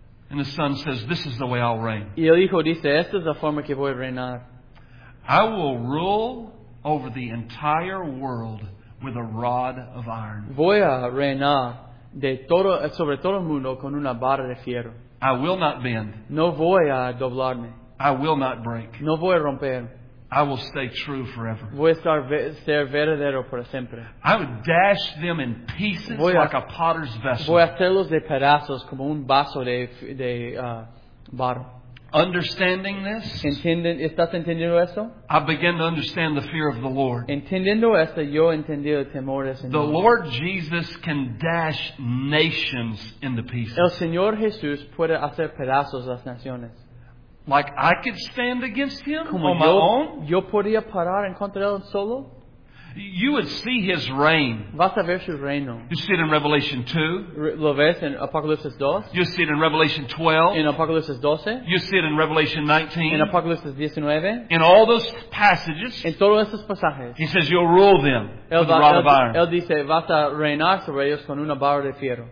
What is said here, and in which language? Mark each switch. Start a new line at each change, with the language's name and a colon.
English: And the son says, this is the way I'll reign.
Spanish: Y el hijo dice, esta es la forma que voy a reinar.
English: I will rule over the entire world with a rod of iron.
Spanish: Voy a reinar sobre todo el mundo con una barra de fierro.
English: I will not bend.
Spanish: No voy a doblarme.
English: I will not break.
Spanish: No voy a romper.
English: I will stay true forever.
Spanish: Voy a estar ser verdadero para siempre.
English: I would dash them in pieces like a potter's vessel.
Spanish: Voy a hacerlos de pedazos como un vaso de barro.
English: Understanding this?
Spanish: ¿Estás entendiendo eso?
English: I begin to understand the fear of the Lord.
Spanish: Entendiendo esto, yo entendí el temor del Señor.
English: The Lord Jesus can dash nations into pieces.
Spanish: El Señor Jesús puede hacer pedazos las naciones.
English: Like I could stand against him
Spanish: como
English: on my own?
Spanish: Yo podría parar en contra de él solo?
English: You would see his reign.
Spanish: Vas a ver su reino.
English: You see it in Revelation 2.
Spanish: Lo ves en Apocalipsis 2.
English: You see it in Revelation 12.
Spanish: En Apocalipsis 12.
English: You see it in Revelation 19.
Spanish: En Apocalipsis 19.
English: In all those passages.
Spanish: En todos esos pasajes.
English: He says you'll rule them with a rod of iron.
Spanish: Él dice, vas a reinar sobre ellos con una barra de fierro.